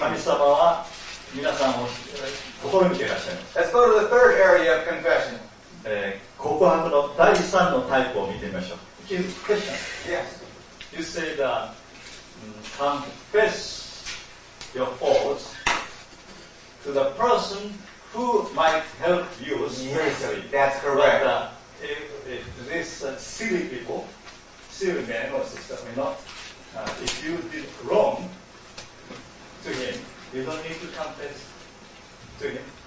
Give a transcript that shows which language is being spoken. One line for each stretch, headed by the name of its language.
Japanese: 神様は皆さんを試みていらっしゃいます。
English: Let's go to the third area of confession.
Japanese: 告白の第三のタイプを見てみましょう。
English: Question. Yes. You say that confess your faults to the person who might help you spiritually. Yes, that's correct. But, If this silly people, silly man or sister, may not, if you did wrong to him, you don't need to confess to him.